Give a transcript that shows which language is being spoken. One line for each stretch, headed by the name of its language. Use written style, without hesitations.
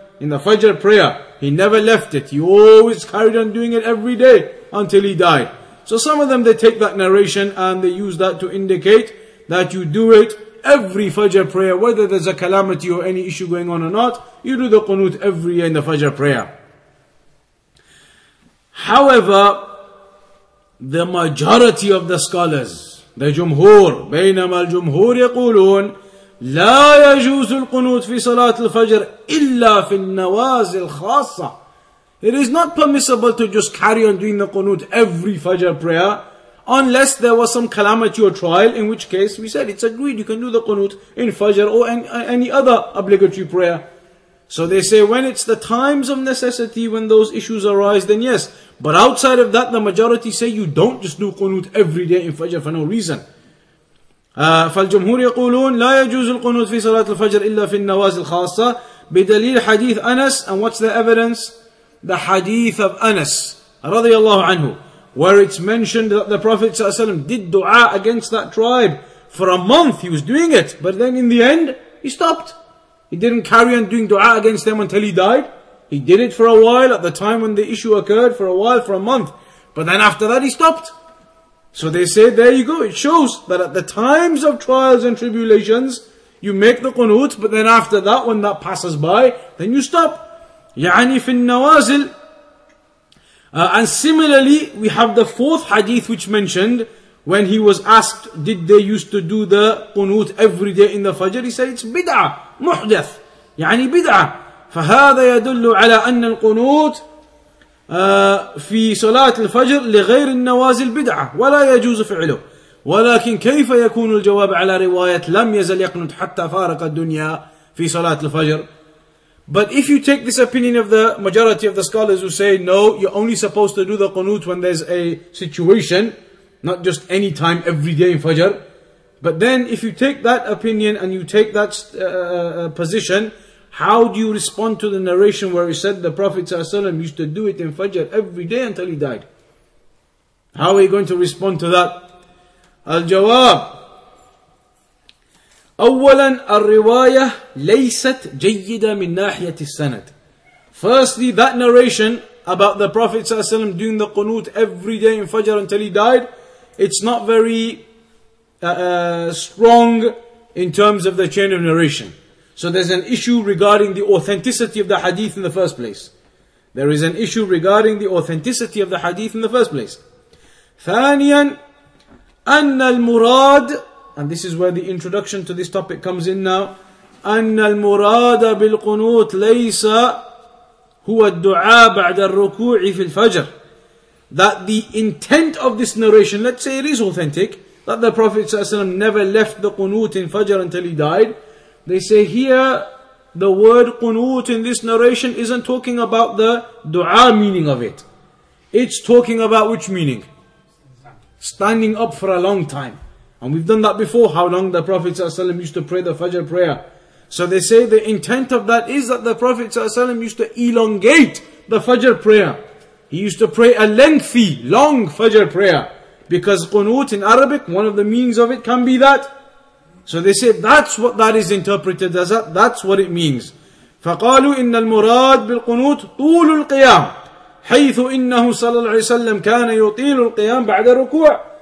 English: In the Fajr prayer, he never left it. He always carried on doing it every day until he died. So some of them, they take that narration and they use that to indicate that you do it every Fajr prayer, whether there's a calamity or any issue going on or not, you do the qunut every year in the Fajr prayer. However, the majority of the scholars, the jumhur,
Arabic: بينما الجمهور يقولون لا يجوز القنوت في صلاة الفجر إلا في النوازل خاصة.
English: It is not permissible to just carry on doing the qunut every Fajr prayer, unless there was some calamity or trial, in which case we said it's agreed you can do the qunut in Fajr or any other obligatory prayer. So they say when it's the times of necessity, when those issues arise, then yes. But outside of that, the majority say you don't just do qunut every day in Fajr for no reason.
Arabic: فالجمهور يقولون لا يجوز القنوت في صلاة الفجر إلا في النوازل خاصة بدليل حديث أنس.
English: And what's the evidence? The hadith of Anas رضي الله عنه, where it's mentioned that the Prophet ﷺ did dua against that tribe for a month. He was doing it, but then in the end, he stopped. He didn't carry on doing dua against them until he died. He did it for a while at the time when the issue occurred, for a while, for a month. But then after that, he stopped. So they say, there you go. It shows that at the times of trials and tribulations, you make the qunut, but then after that, when that passes by, then you stop.
Arabic: يعني في النوازل.
English: And similarly, we have the fourth hadith which mentioned when he was asked, did they used to do the qunut every day in the Fajr? He said, it's bid'ah, muhdath, يعني bid'ah.
Arabic: فهذا يدل على أن القنوت في صلاة الفجر لغير النوازل بدعه ولا يجوز فعله. ولكن كيف يكون الجواب على رواية لم يزل يقنط حتى فارق الدنيا في صلاة الفجر؟
English: But if you take this opinion of the majority of the scholars who say no, you're only supposed to do the qunut when there's a situation, not just any time every day in Fajr. But then if you take that opinion and you take that position, how do you respond to the narration where he said the Prophet ﷺ used to do it in Fajr every day until he died? How are you going to respond to that? Al-Jawab.
Arabic: أولاً الرواية ليست جيدة من ناحية السند.
English: Firstly, that narration about the Prophet ﷺ doing the qunut every day in Fajr until he died, it's not very strong in terms of the chain of narration. So there's an issue regarding the authenticity of the hadith in the first place. There is an issue regarding the authenticity of the hadith in the first place.
Arabic: ثانياً أن المراد,
English: and this is where the introduction to this topic comes in now,
Arabic: أن المراد بالقنوت ليس هو الدعاء بعد الركوع في الفجر.
English: That the intent of this narration, let's say it is authentic, that the Prophet ﷺ never left the qunut in Fajr until he died. They say here, the word qunut in this narration isn't talking about the dua meaning of it. It's talking about which meaning? Standing up for a long time. And we've done that before, how long the Prophet ﷺ used to pray the Fajr prayer. So they say the intent of that is that the Prophet ﷺ used to elongate the Fajr prayer. He used to pray a lengthy, long Fajr prayer. Because qunut in Arabic, one of the meanings of it can be that. So they say that's what that is interpreted as, that's what it means.
Arabic: فقالوا إن المراد بالقنوت طول القيام حيث إنه صلى الله عليه وسلم كان يطيل القيام بعد الركوع.